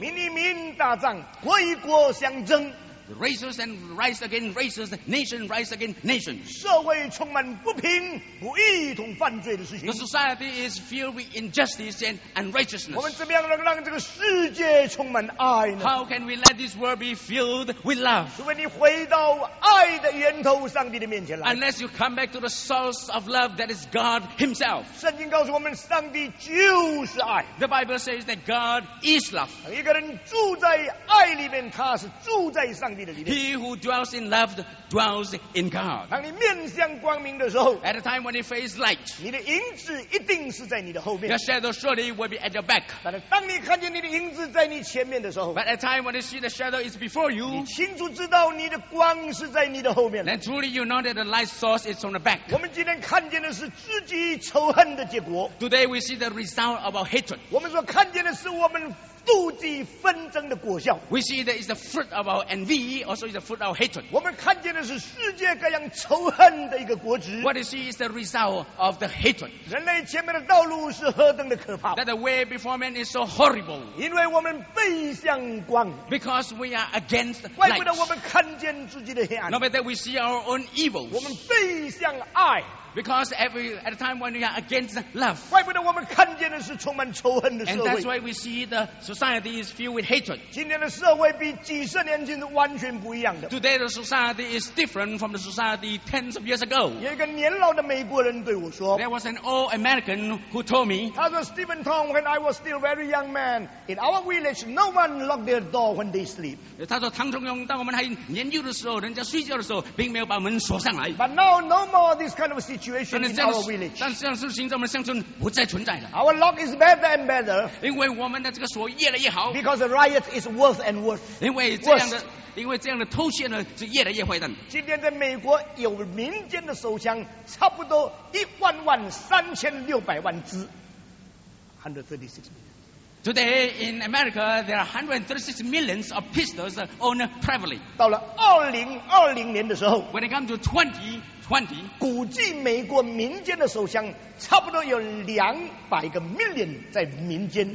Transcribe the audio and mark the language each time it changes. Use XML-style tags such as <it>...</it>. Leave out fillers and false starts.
<zh>民与民大战国与国相争</zh> <en>Races and rise again races nation rise again nation</en> <zh>社会充满不平不义同犯罪的事情</zh> <en>The society is filled with injustice and unrighteousness</en> <zh>我们怎么样能让这个世界充满爱呢</zh> <en>How can we let this world be filled with love</en> <zh>除非你回到爱的源头上帝的面前来</zh> <en>Unless you come back to the source of love that is God himself</en> <zh>圣经告诉我们上帝就是爱</zh> <en>The Bible says that God is love</en> <zh>一个人住在爱里面他是住在上帝的里面</zh> <en>He who dwells in love dwells in God</en> <zh>当你面向光明的时候</zh> <en>At the time when you face light</en> <zh>你的影子一定是在你的后面</zh> <en>Your shadow surely will be at your back</en> <zh>但是当你看见你的影子在你前面的时候</zh> <en>But at the time when you see the shadow is before you</en> <zh>你清楚知道你的光是在你的后面</zh> <en>Then truly you know that the light source is on the back</en> <zh>我们今天看见的是自己仇恨的结果</zh> <en>Today we see the result of our hatred</en> <zh>我们所看见的是我们妒忌纷争的果效</zh> <en>We see that it's the fruit of our envy also is the fruit of our hatred</en> <zh>我们看见的是世界各样仇恨的一个果子</zh> <en>What you see is the result of the hatred</en> <zh>人类前面的道路是何等的可怕</zh> <en>That the way before man is so horrible</en> <zh>因为我们背向光</zh> <en>Because we are against light</en> <zh>怪不得我们看见自己的黑暗</zh> <en>Not that we see our own evils</en> <zh>我们背向爱</zh> <en>Because at the time when we are against love,</en> <zh>怪不得我们看见的是充满仇恨的社会。</zh> <en>And that's why we see the society is filled with hatred.</en> <zh>今天的社会比几十年前是完全不一样的。</zh> <en>Today the society is different from the society tens of years ago.</en> <zh>有一个年老的美国人对我说</zh> <en>，There was an old American who told me.</en> <zh>他说</zh> <en>，Stephen Tong, when I was still a very young man, in our village, no one locked their door when they sleep.</en> <zh>他说，唐崇荣，当我们还年幼的时候，人家睡觉的时候，并没有把门锁上来。</zh> <en>But now, no more this kind of situation in our village.</en> <zh>但这样的事情在我们乡村不再存在了。</zh> <en>Our lock is better and better.</en> <zh>因为我们的这个锁越来越好。</zh> <en>Because the riot is worse and worse.</en> <zh>因为这样的。因为这样的偷窃呢是越来越坏的。今天在美国有民间的手枪差不多13,600,000支</zh> <en>Today in America there are 136 millions of pistols owned privately.</en> <zh>到了2020年的时候</zh> <en>When it comes to 2020</en> <zh>估计美国民间的手枪差不多有200个 million 在民间</zh>